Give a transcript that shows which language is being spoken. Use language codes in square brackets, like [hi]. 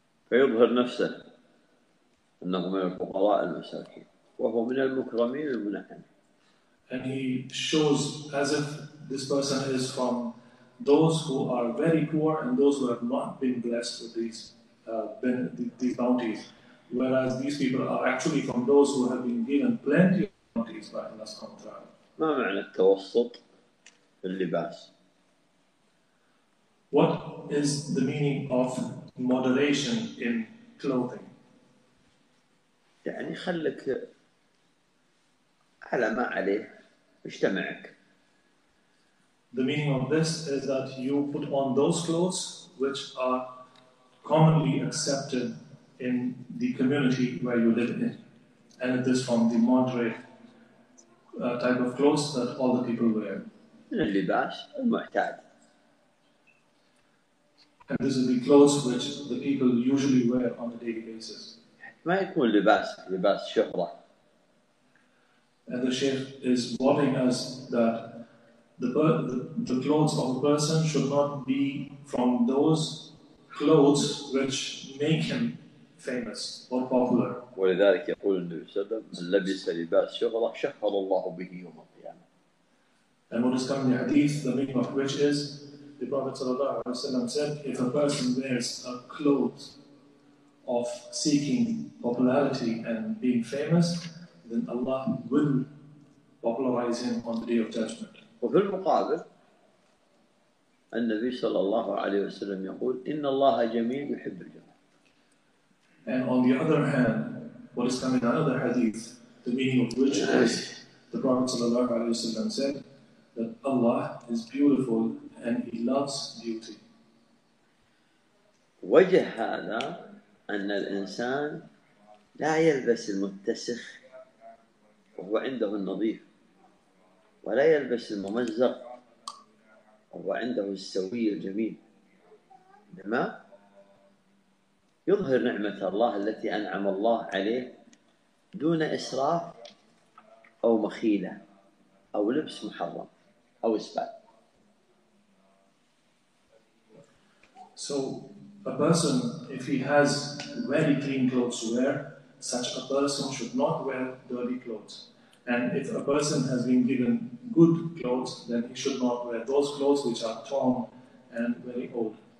[ar] فيظهر نفسه أنه من الفقراء المساكين وهو من المكرمين المنعمين. [en] And he shows as if this person is from those who are very poor and those who have not been blessed with these bounties, whereas these people are actually from those who have been given plenty of bounties by Allah subhanahu wa ta'ala. [ar] ما معنى التوسط في اللباس؟ [en] What is the meaning of moderation in clothing? [ar] يعني خلك على ما عليه مجتمعك. [en] The meaning of this is that you put on those clothes which are commonly accepted in the community where you live in. And it is from the moderate type of clothes that all the people wear. [ar] اللباس المعتاد. [en] And this is the clothes which the people usually wear on a daily basis. [ar] ما يكون لباس شهرة. [en] And the Shaykh is warning us that the clothes of a person should not be from those clothes which make him famous or popular. [ar] ولذلك يقول النبي صلى الله عليه وسلم من لبس لباس شهرة شهر الله به يوم القيامة. [en] And what is coming in hadith, the meaning of which is the Prophet [ar] صلى الله عليه وسلم [en] said, if a person wears a cloth of seeking popularity and being famous, then Allah will popularize him on the Day of Judgment. [ar] وفي المقابل النبي صلى الله عليه وسلم يقول إن الله جميل يحب الجمال. [en] And on the other hand, what is coming in another hadith, the meaning of which is the Prophet [ar] صلى الله عليه وسلم [en] said that Allah is beautiful and He loves beauty. [ar] وجه هذا أن الإنسان لا يلبس المتسخ وهو عنده النظيف ولا يلبس الممزق وهو عنده السوي الجميل، إنما يظهر نعمة الله التي أنعم الله عليه دون إسراف أو مخيلة أو لبس محرم أو إسباب. [en] So a person, if he has very clean clothes to wear, such a person should not wear dirty clothes. And if a person has been given good clothes, then he should not wear those clothes which are torn and very old.